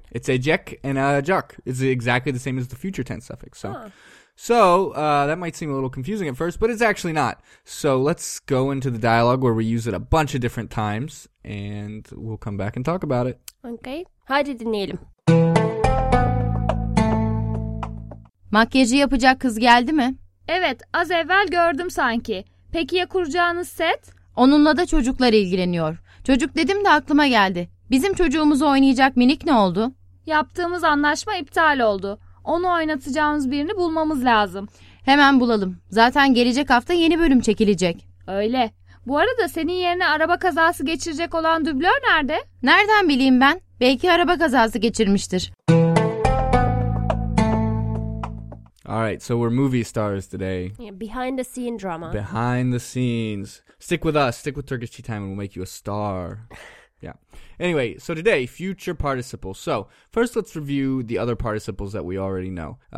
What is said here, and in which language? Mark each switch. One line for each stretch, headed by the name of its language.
English: It's a jek and a jok. It's exactly the same as the future tense suffix. So, that might seem a little confusing at first, but it's actually not. So let's go into the dialogue where we use it a bunch of different times, and we'll come back and talk about it.
Turkish: Okay. Hadi dinleyelim. Makyajı yapacak kız geldi mi? Evet, az evvel gördüm sanki. Peki ya kuracağınız set? Onunla da çocuklar ilgileniyor. Çocuk dedim de aklıma geldi. Bizim çocuğumuzu oynayacak minik ne oldu? Yaptığımız anlaşma iptal oldu. Onu oynatacağımız birini bulmamız lazım. Hemen bulalım. Zaten gelecek hafta yeni bölüm çekilecek. Öyle. Bu arada senin yerine araba kazası geçirecek olan dublör nerede? Nereden bileyim ben? Belki araba kazası geçirmiştir.
English: All right, so we're movie stars today. Yeah, behind the scene drama. Behind the scenes. Stick with us. Stick with Turkish Tea Time and we'll make you a star. Yeah. Anyway, so today, future participle. So first let's review the other participles that we already know.